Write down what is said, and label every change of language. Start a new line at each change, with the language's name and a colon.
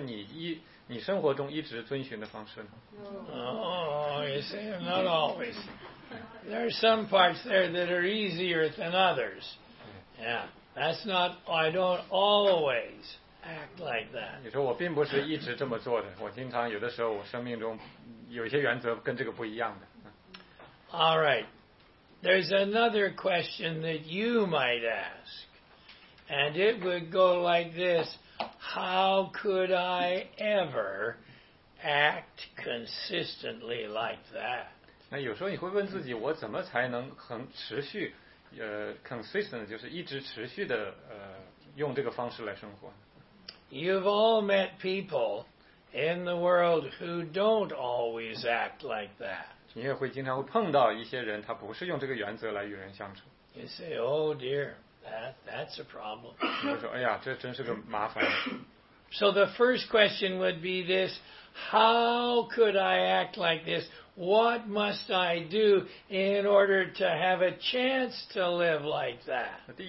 Chinese: 那第四个问题更难一些，是不是这是不是你生活中一直遵循的方式呢？
English: Oh, you say not always. There are some parts there that are easier than others. Yeah, that's not. I don't always act like that.
Chinese: 你说我并不是一直这么做的，我经常有的时候我生命中有一些原则跟这个不一样的。
English: All right. There's another question that you might ask. And it would go like this. How could I ever act consistently like that?
Chinese: 那有时候你会问自己，我怎么才能持续，consistent，就是一直持续的，用这个方式来生活。
English: You've all met people in the world who don't always act like that.
Chinese: 你也会经常会碰到一些人，他不是用这个原则来与人相处。
English: You say, oh dear, that's a problem.
Chinese: 你会说，哎呀，这真是个麻烦。
English: So the first question would be this, how could I act like this? What must I do in order to have a chance to live like that?